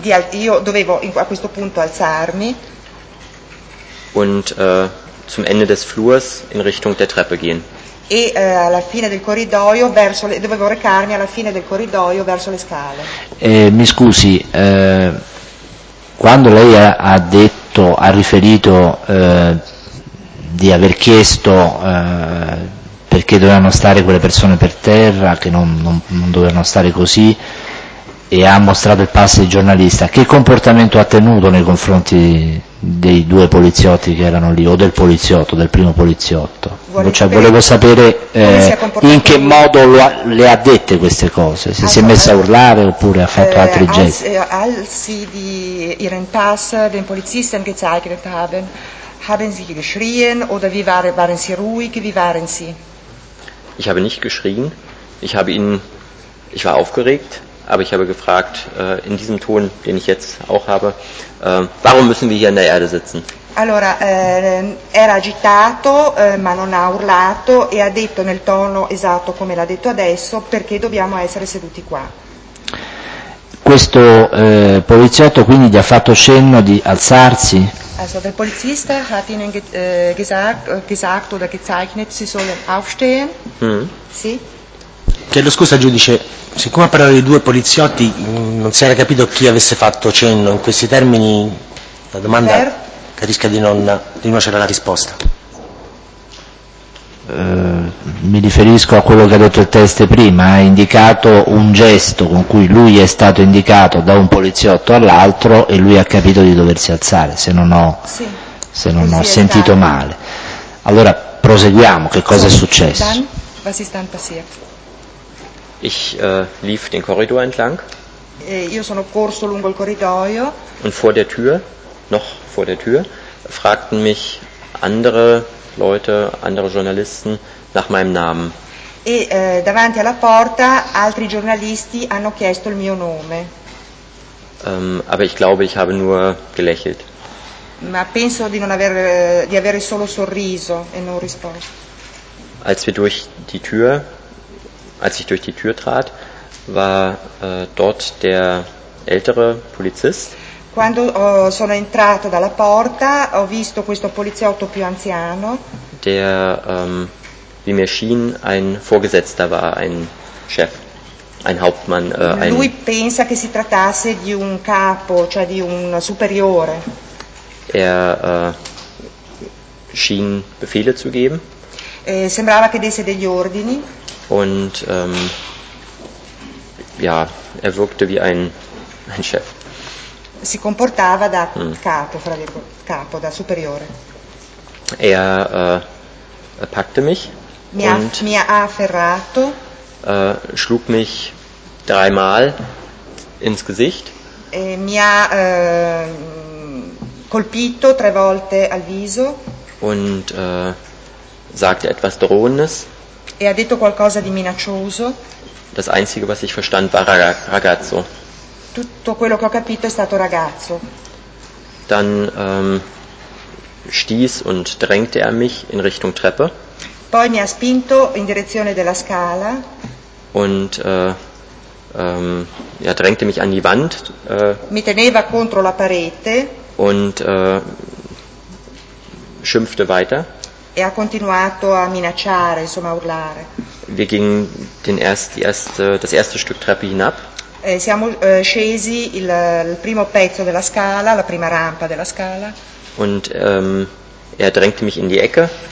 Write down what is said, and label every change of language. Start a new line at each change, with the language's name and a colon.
Italian: Io dovevo a questo punto alzarmi
German: und zum Ende des Flurs in Richtung der Treppe gehen.
Italian: E alla fine del corridoio verso le, dovevo recarmi alla fine del corridoio verso le scale. Mi scusi, quando lei ha detto, ha riferito di aver chiesto perché dovevano stare quelle persone per terra, che non dovevano stare così, e ha mostrato il pass di giornalista, che comportamento ha tenuto nei confronti dei due poliziotti che erano lì, o del poliziotto, del primo poliziotto? Volevo sapere in che modo le ha dette queste cose, se si è messa a urlare oppure ha fatto altri gesti.
German: Alzi di ihren Pass, den Polizisten gezeigt haben, haben sie geschrien oder wie waren sie ruhig, wie waren sie? Ich habe nicht geschrien, ich war aufgeregt. Aber ich habe gefragt, in diesem Ton, den ich jetzt auch habe, warum müssen wir hier in der Erde sitzen?
Italian: Allora, era agitato, ma non ha urlato e ha detto nel tono esatto come l'ha detto adesso, perché dobbiamo essere seduti qua. Questo poliziotto quindi gli ha fatto cenno di alzarsi?
German: Also der Polizist hat Ihnen gesagt oder gezeichnet, Sie sollen aufstehen. Mm-hmm.
Italian: Sì. Chiedo scusa giudice, siccome ha parlato di due poliziotti non si era capito chi avesse fatto cenno, in questi termini la domanda che rischia di non avere la risposta. Mi riferisco a quello che ha detto il teste prima, ha indicato un gesto con cui lui è stato indicato da un poliziotto all'altro e lui ha capito di doversi alzare, se non ho sentito male. Allora proseguiamo, che cosa è successo?
German: Was ist dann passiert? Ich lief den Korridor entlang.
Italian: Io sono corso lungo il corridoio.
German: Und vor der Tür, noch vor der Tür, fragten mich andere Leute, andere Journalisten nach meinem Namen.
Italian: E davanti alla porta altri giornalisti hanno chiesto il mio nome.
German: Aber ich glaube, ich habe nur gelächelt.
Italian: Ma penso di non aver di avere solo sorriso e non risposto.
German: Als wir durch die Tür Als ich durch die Tür trat, war dort der ältere Polizist.
Italian: Quando sono entrato dalla porta, ho visto questo poliziotto più anziano.
German: Der, wie mir schien, ein Vorgesetzter war, ein Chef, ein Hauptmann.
Italian: Lui pensa che si trattasse di un capo, cioè di un superiore.
German: Er schien Befehle zu geben.
Italian: Sembrava che desse degli ordini.
German: Und er wirkte wie ein Chef.
Italian: Si comportava da capo, fra dire, capo, da superiore.
German: Er packte mich
Italian: mi ha afferrato,
German: schlug mich dreimal ins Gesicht.
Italian: E mi ha colpito tre volte al viso.
German: Und sagte etwas Drohendes.
Italian: E ha detto qualcosa di minaccioso.
German: Das einzige, was ich verstand, war ragazzo.
Italian: Tutto quello che ho capito è stato ragazzo.
German: Dann stieß und drängte er mich in Richtung Treppe.
Italian: Poi mi ha spinto in direzione della scala.
German: Und drängte mich an die Wand.
Italian: Mi teneva contro la parete.
German: Und schimpfte weiter.
Italian: E ha continuato a minacciare, insomma, a urlare.
German: Wir gingen das erste Stück Treppe hinab.
Italian: Siamo scesi il primo pezzo della scala, la prima rampa della scala.
German: Und er drängte mich in die Ecke.